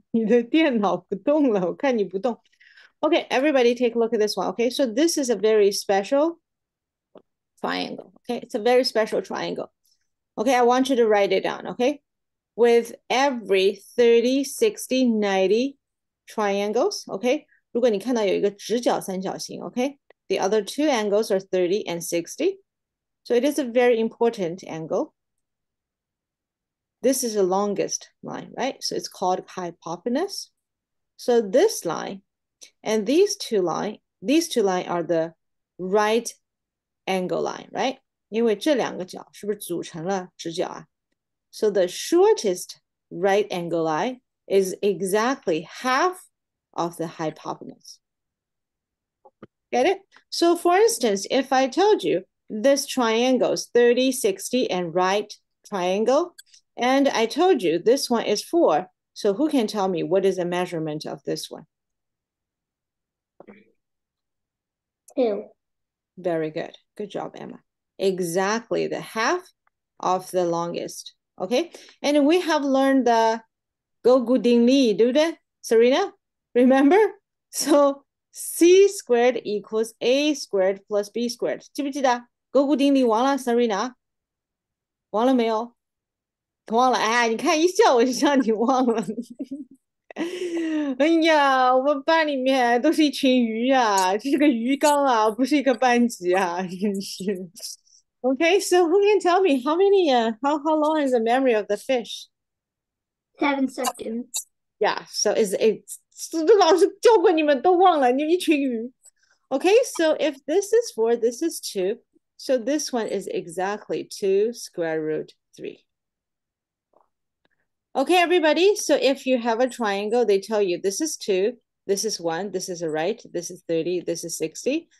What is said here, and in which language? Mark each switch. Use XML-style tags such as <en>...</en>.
<zh>星星，你是死机了吗？哦，没有没有，我以为你的电脑不动了，我看你不动。</zh> <en>Okay, everybody take a look at this one. Okay, so this is a very special triangle. Okay, it's a very special triangle. Okay, I want you to write it down. Okay, with every 30, 60, 90 triangles. Okay,</en> <zh>如果你看到有一个直角三角形,</zh> <en>okay, the other two angles are 30 and 60. So it is a very important angle. This is the longest line, right? So it's called hypotenuse. So this line and these two lines are the right angle line, right?</en> <zh>因为这两个角是不是组成了直角啊?</zh> <en>So the shortest right angle line is exactly half of the hypotenuse. Get it? So for instance, if I told you this triangle is 30, 60, and right triangle. And I told you this one is 4. So who can tell me what is the measurement of this one? Two. Very good. Good job, Emma. Exactly the half of the longest. Okay. And we have learned the go gooding li, do that, Serena? Remember? So C squared equals A squared plus B squared.</en> <zh>记不记得? 勾股定理忘了，Serena，忘了没有？忘了，哎，你看一笑我就知道你忘了。哎呀，我们班里面都是一群鱼呀、啊，这是个鱼缸啊，不是一个班级啊，真是。</zh> <en>Okay, so who can tell me how many? How long is the memory of the fish? 7 seconds. Yeah, so is it?</en> <zh>老师教过你们都忘了，你们一群鱼。</zh> <en>Okay, so if this is four, this is two. So this one is exactly 2 square root 3. Okay, everybody. So if you have a triangle, they tell you this is 2, this is 1, this is a right, this is 30, this is 60.</en>